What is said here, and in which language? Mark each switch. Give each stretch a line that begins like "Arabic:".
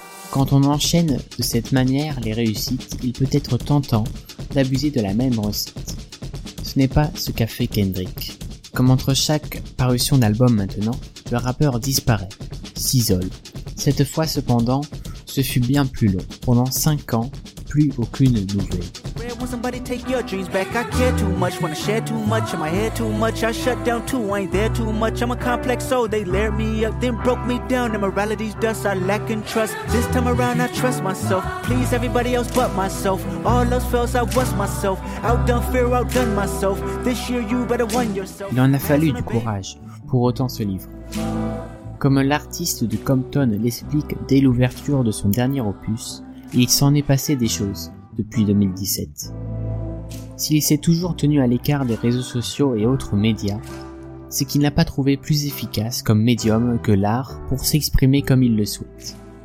French: Quand on enchaîne de cette manière les réussites, il peut être tentant d'abuser de la même recette. Ce n'est pas ce qu'a fait Kendrick. Comme entre chaque parution d'album maintenant, le rappeur disparaît, s'isole. Cette fois cependant, ce fut bien plus long. Pendant 5 ans, plus aucune nouvelle.
English: When somebody take your dreams back, I care too much. Wanna share too much, in my head too much. I shut down too, I ain't there too much. I'm a complex soul, they layered me up, then broke me down. And morality's dust, I lack in trust. This time around, I trust myself. Please everybody else but myself. All else fails, I was myself. Outdone fear, outdone myself. This year, you better win yourself.
French: Il en a fallu du courage pour autant se livrer. Comme l'artiste de Compton l'explique dès l'ouverture de son dernier opus, il s'en est passé des choses depuis 2017. S'il s'est toujours tenu à l'écart des réseaux sociaux et autres médias, c'est qu'il n'a pas trouvé plus efficace comme médium que l'art pour s'exprimer comme il le souhaite.